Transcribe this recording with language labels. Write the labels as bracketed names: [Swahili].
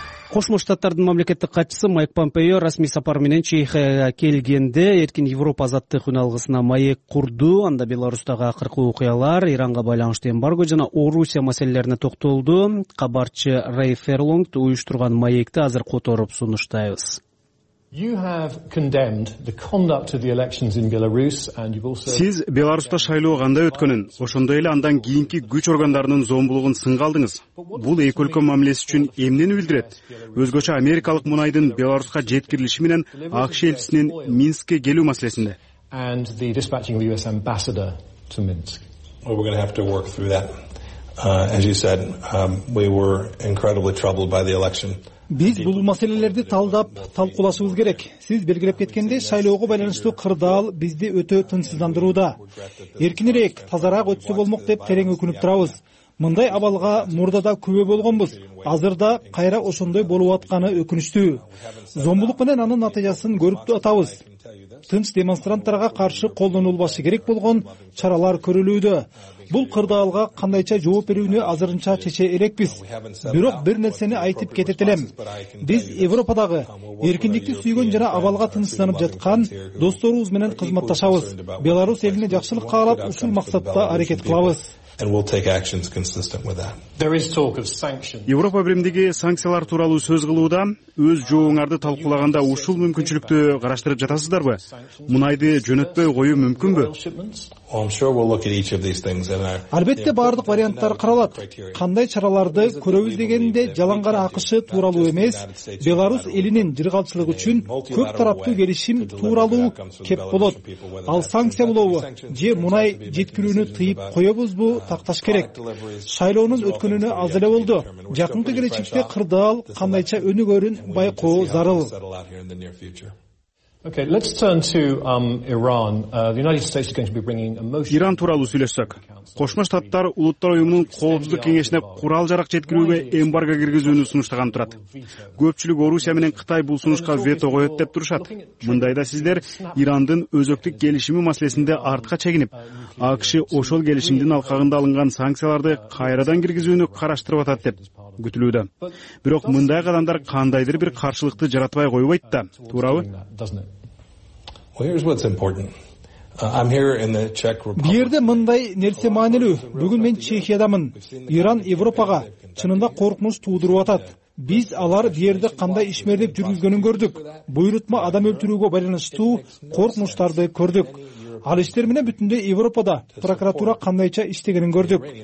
[Kyrgyz] Кошмо Штаттардын мамлекеттик катчысы Майк Помпео расмий сапар менен Чехияга келгенде Эркин Европа азаттык үналгысына маек курду. Анда Беларусьтагы акыркы окуялар, Иранга байланыштуу эмбарго жана Орусия маселелерине токтолду. Кабарчы Рэй Ферлонг уюштурган маекти азыр которуп сунуштайбыз. [English] You have condemned the conduct of the elections in Belarus and you've also [Kyrgyz] Сиз Беларусьта шайлоо кандай өткөнүн, ошондой эле андан кийинки күч органдарынын зомбулугун сынга алдыңыз. Бул эки өлкө мамилеси үчүн эмнени билдирет? Өзгөчө Америкалык мунайдын Беларуська жеткирилиши менен АКШ элчисинин Минскке келүү маселесинде. [English] And the dispatching of the US ambassador to Minsk. Well, we're going to have to work through that. As you said, we were incredibly troubled by the election. [Kyrgyz] Биз бул маселелерди талдап талкуулашыбыз керек. Сиз белгилеп кеткендей, шайлоого байланыштуу кырдаал бизди өтө тынчсыздандырууда. Эркинирээк, тазараак өтсө болмок деп терең өкүнүп турабыз. Мындай абалга мурда да күбө болгонбуз. Азырда кайра ошондой болуп атканы өкүнүчтүү. Зомбулук менен анын натыйжасын көрүп атабыз. Тынч демонстранттарга каршы колдонулбашы керек болгон чаралар көрүлүүдө. Бул кырдаалга кандайча жооп берүүнү азырынча чече элекпиз. Бирок бир нерсени айтып кетет элем. Биз Европадагы эркиндикти сүйгөн жана абалга тынчсызданып жаткан досторубуз менен кызматташабыз. Беларусь элине жакшылык каалап, ушул максатта аракет кылабыз. [English] And we'll take actions consistent with that. There is talk of sanctions. [Kyrgyz] Европа биримдиги санкциялар тууралуу сөз кылууда өз жооңарды талкуулаганда ушул мүмкүнчүлүктү караштырып жатасыздарбы? Мунайды жөнөтпөй коюу мүмкүнбү? [English] I'm sure we'll look at each of these things and [Kyrgyz] Албетте баардык варианттар каралат. Кандай чараларды көрөбүз дегенде жалангара акышы тууралуу эмес, Беларусь элинин жыргалчылыгы үчүн көп тараптуу келишим тууралуу кеп болот. Ал санкция болобу же мунай жеткирүүнү тыйып коебузбу такташ керек. Шайлоонун өткөнүнө аз эле болду. Жакынкы келечекте кырдаал кандайча өнүгөрүн байкоо зарыл. [English] Okay, let's turn to Iran. The United States is going to be bringing a motion. [Kyrgyz] Иран тууралуу сүйлөшсөк. Кошмо Штаттар Улуттар Уюмунун Коопсуздук Кеңешине курал жарак жеткирүүгө эмбарго киргизүүнү сунуштаган турат. Көпчүлүк Орусия менен Кытай бул сунушка вето коёт деп турушат. Мындайда сиздер Ирандын өзөктүк келишими маселесинде артка чегинип, АКШ ошол келишимдин алкагында алынган санкцияларды кайрадан киргизүүнү караштырып атат деп күтүлүүдө. Бирок мындай кадамдар кандайдыр бир каршылыкты жаратпай коюбайт да, туурабы? [English] Well, here's what's important. I'm here in the Czech Republic. [Kyrgyz] Бир жерде мындай нерсе маанилүү. Бүгүн мен Чехиядамын. Иран Европага чынында коркунуч туудуруп атат. Биз алар бир жерде кандай ишмердик жүргүзгөнүн көрдүк. Буйрутма адам өлтүрүүгө байланыштуу коркунучтарды көрдүк. Ал иштер менен бүтүндөй Европада прокуратура кандайча иштегенин көрдүк.